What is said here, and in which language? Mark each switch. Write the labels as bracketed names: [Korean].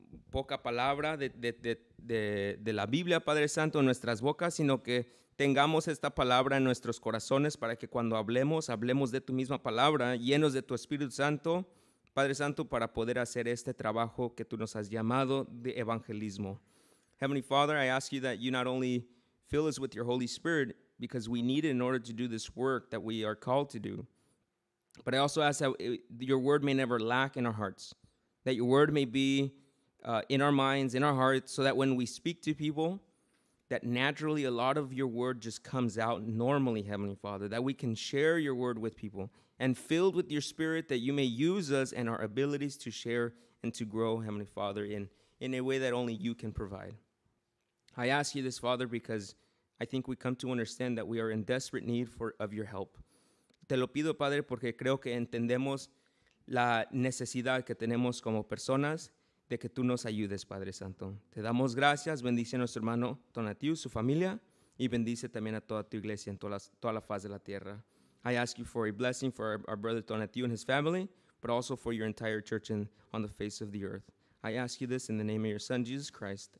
[Spanish] poca palabra de la Biblia, Padre Santo, en nuestras bocas, sino que tengamos esta palabra en nuestros corazones para que cuando hablemos, hablemos de tu misma palabra, llenos de tu Espíritu Santo, Padre Santo, para poder hacer este trabajo que tú nos has llamado de evangelismo. [English] Heavenly Father, I ask you that you not only fill us with your Holy Spirit, because we need it in order to do this work that we are called to do, but I also ask that your word may never lack in our hearts, that your word may be in our minds, in our hearts, so that when we speak to people, that naturally a lot of your word just comes out normally, Heavenly Father, that we can share your word with people and filled with your spirit that you may use us and our abilities to share and to grow, Heavenly Father, in a way that only you can provide. I ask you this, Father, because I think we come to understand that we are in desperate need of your help. [Spanish] Te lo pido, Padre, porque creo que entendemos la necesidad que tenemos como personas de que tú nos ayudes, Padre Santo. Te damos gracias, bendice a nuestro hermano Tonatiuh, su familia, y bendice también a toda tu iglesia en toda la faz de la tierra. [English] I ask you for a blessing for our brother Tonatiuh and his family, but also for your entire church on the face of the earth. I ask you this in the name of your son, Jesus Christ.